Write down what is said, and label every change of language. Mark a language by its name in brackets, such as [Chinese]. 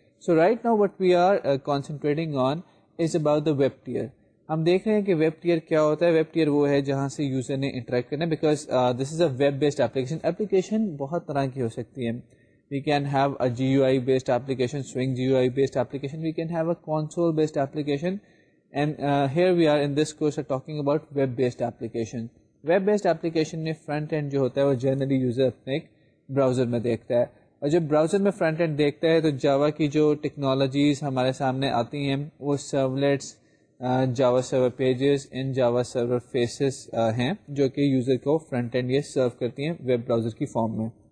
[English] So right now what we are concentrating on is about the web tier. [Urdu] ہم دیکھ رہے ہیں کہ ویب ٹیئر کیا ہوتا ہے. ویب ٹیئر وہ ہے جہاں سے یوزر نے انٹریکٹ کرنا ہے, [English] Because this is a web based application. [Urdu] Application بہت طرح کی ہو سکتی ہے. [English] We can have a G U I based application, swing G U I based application, we can have a console based application, and here we are in this course are talking about web based application. [Urdu] Web based application میں front end جو ہوتا ہے وہ generally user اپنے ایک browser میں دیکھتا ہے, اور جب براؤزر میں فرنٹ اینڈ دیکھتا ہے تو جاوا کی جو ٹیکنالوجیز ہمارے سامنے آتی ہیں وہ سرولیٹس, جاوا سرور pages and Java server phases ہیں جو کہ یوزر کو فرنٹ اینڈ یہ سرو کرتی ہیں ویب براؤزر کی فارم میں.